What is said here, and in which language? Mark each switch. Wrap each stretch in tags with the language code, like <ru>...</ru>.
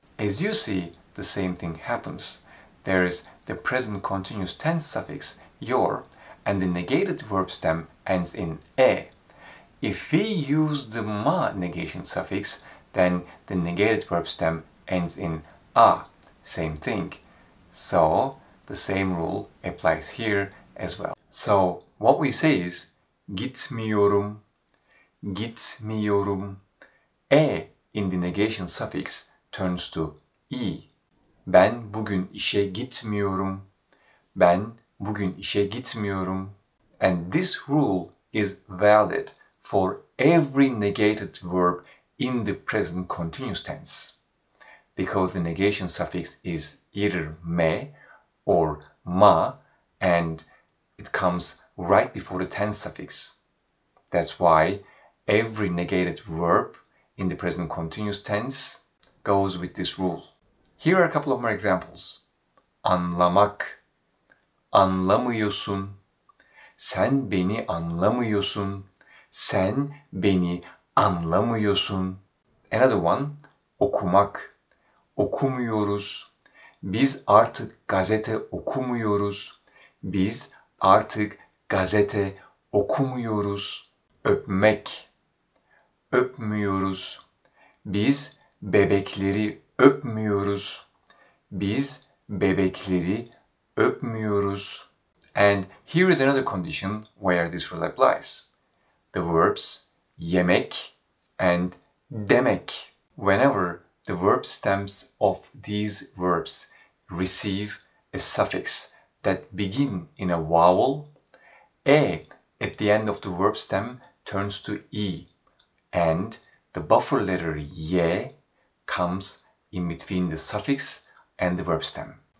<en>As you see, the same thing happens. There is the present continuous tense suffix yor, and the negated verb stem ends in e. If we use the ma negation suffix, then the negated verb stem ends in a. Same thing. So the same rule applies here as well. So what we say is gitmiyorum, gitmiyorum. E in the negation suffix turns to I.</en> <tr>Ben bugün işe gitmiyorum. Ben bugün işe gitmiyorum.</tr> <en>And this rule is valid for every negated verb in the present continuous tense, because the negation suffix is either me or ma, and it comes right before the tense suffix. That's why every negated verb in the present continuous tense goes with this rule. Here are a couple of more examples.</en> <tr>Anlamak, anlamıyorsun. Sen beni anlamıyorsun. Sen beni anlamıyorsun.</tr> <en>Another one, okumak, okumuyoruz.</en> <tr>Biz artık gazete okumuyoruz. Biz artık gazete okumuyoruz. Öpmek, öpmüyoruz. Biz bebekleri öpmüyoruz. Biz bebekleri öpmüyoruz.</tr> <en>And here is another condition where this rule applies. The verbs yemek and demek. Whenever the verb stems of these verbs receive a suffix that begin in a vowel, e at the end of the verb stem turns to e, and the buffer letter ye comes in between the suffix and the verb stem.</en>